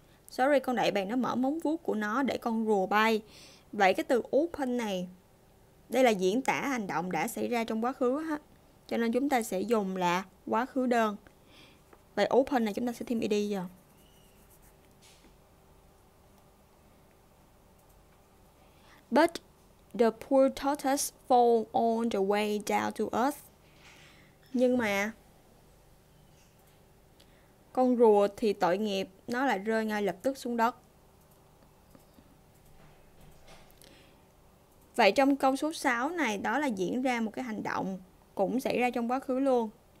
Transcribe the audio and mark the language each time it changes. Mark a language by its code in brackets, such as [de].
[vi] Sorry, con đại bàng nó mở móng vuốt của nó để con rùa bay. Vậy cái từ open này, đây là diễn tả hành động đã xảy ra trong quá khứ hết. Cho nên chúng ta sẽ dùng là quá khứ đơn. Vậy open này chúng ta sẽ thêm ed vào. [en] But the poor tortoise fall on the way down to us. [vi] Nhưng mà con rùa thì tội nghiệp, nó lại rơi ngay lập tức xuống đất. Vậy trong câu số 6 này, đó là diễn ra một cái hành động cũng xảy ra trong quá khứ luôn.